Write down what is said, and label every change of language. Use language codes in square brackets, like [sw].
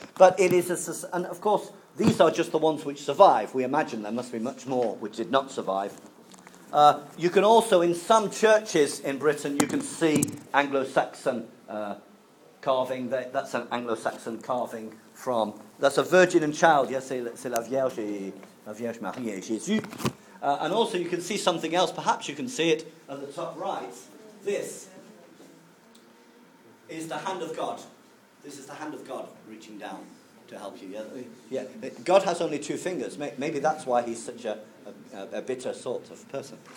[en] But it is, and of course, these are just the ones which survive. We imagine there must be much more which did not survive. You can also, in some churches in Britain, you can see Anglo-Saxon carving. That's an Anglo-Saxon carving from... That's a virgin and child. [fr] Yes, c'est la Vierge Marie et Jésus. [en] And also you can see something else. Perhaps you can see it at the top right. This is the hand of God. This is the hand of God reaching down to help you. Yeah. God has only 2 fingers. Maybe that's why he's such a bitter sort of person.